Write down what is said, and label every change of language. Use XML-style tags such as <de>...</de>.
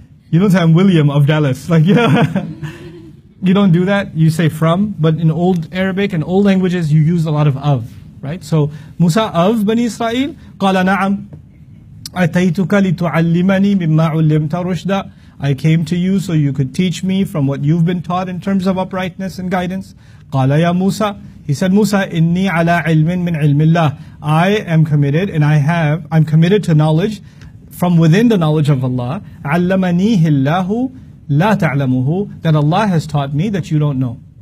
<en>You don't say, I'm William of Dallas. Like, you know. You don't do that, you say from, but in old Arabic and old languages, you use a lot of, right? So, Musa of Bani Israel,</en> <ar>قَالَ نَعَمْ أَتَيْتُكَ لِتُعَلِّمَنِي مِمَّا عُلِّمْتَ رُشْدًا.</ar> <en>I came to you so you could teach me from what you've been taught in terms of uprightness and guidance.</en> <ar>قَالَ يَا مُوسَى.</ar> <en>He said, Musa,</en> <ar>إِنِّي عَلَىٰ عِلْمٍ مِنْ عِلْمِ اللَّهِ.</ar> <en>I am committed and I'm committed to knowledge from within the knowledge of Allah.</en> <ar>عَلَّمَنِيهِ اللَّهُ لا تعلمه,</ar> <en>that Allah has taught me that you don't know.</en>